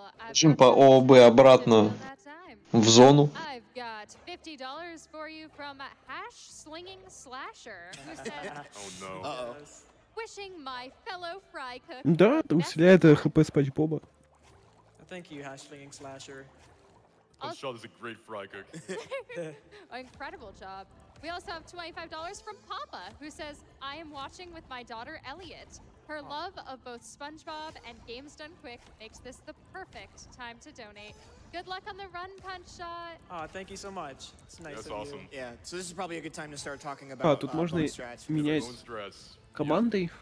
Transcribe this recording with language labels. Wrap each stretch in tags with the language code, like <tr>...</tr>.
<ru>Очень по ООБ обратно в зону.</ru> <en>I've got $50 for you from Hash Slinging Slasher, who says, oh, no. Wishing my fellow fry cook.</en> <ru>Да, усиляет ХП SpongeBob'а.</ru> <en>Thank you, Hash Slinging Slasher. Shot is a great fry cook. Oh, incredible job. We also have $25 from Papa, who says, I am watching with my daughter Elliot. Her love of both SpongeBob and Games Done Quick makes this the perfect time to donate. Good luck on the run, Punch Shot. Ah, thank you so much. It's nice That's of awesome. You. Yeah, so this is probably a good time to start talking about.</en> <ru>Тут можно менять команды.</ru>